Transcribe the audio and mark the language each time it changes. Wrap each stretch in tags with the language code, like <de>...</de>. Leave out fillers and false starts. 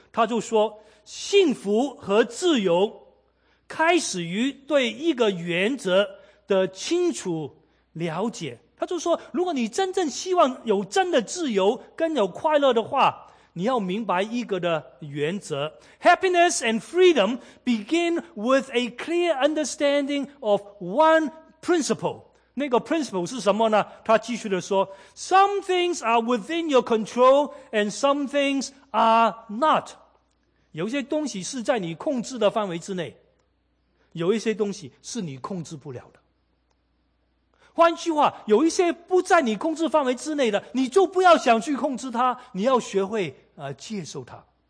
<zh>他就说，幸福和自由开始于对一个原则的清楚了解。他就说，如果你真正希望有真的自由跟有快乐的话，你要明白一个的原则。</zh> <en>Happiness and freedom begin with a clear understanding of one principle.</en> <zh>那个</zh> <en>principle</en> <zh>是什么呢？他继续的说，</zh> <en>Some things are within your control and some things are not.</en> <zh>有些东西是在你控制的范围之内，有一些东西是你控制不了的。换句话，有一些不在你控制范围之内的，你就不要想去控制它，你要学会接受它。</zh>